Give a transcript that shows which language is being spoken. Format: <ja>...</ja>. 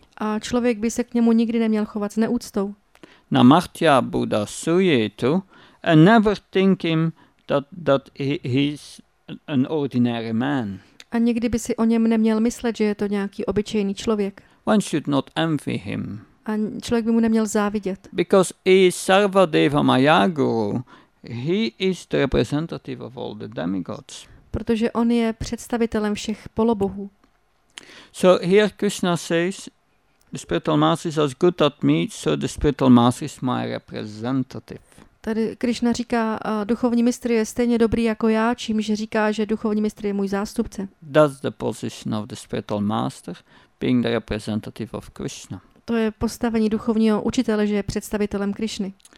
<cs>A člověk by se k němu nikdy neměl chovat s neúctou.</cs> <sa>Namartya buddha suyetu,</sa> <en>and never think him that he's an ordinary man.</en> <cs>A nikdy by si o něm neměl myslet, že je to nějaký obyčejný člověk.</cs> <en>One should not envy him.</en> <cs>A člověk by mu neměl závidět.</cs> <en>Because he is Sarva Deva Maya Guru, he is the representative of all the demigods.</en> <cs>Protože on je představitelem všech polobohů.</cs> <en>So here Krishna says, the spiritual master is as good at me, so the spiritual master is my representative.</en> <cs>Tady Krishna říká, duchovní mistr je stejně dobrý jako já, čímž říká, že duchovní mistr je můj zástupce.</cs> <en>That's the position of the spiritual master, being the representative of Krishna.</en> <cs>To je postavení duchovního učitele, že je představitelem Krishny.</cs>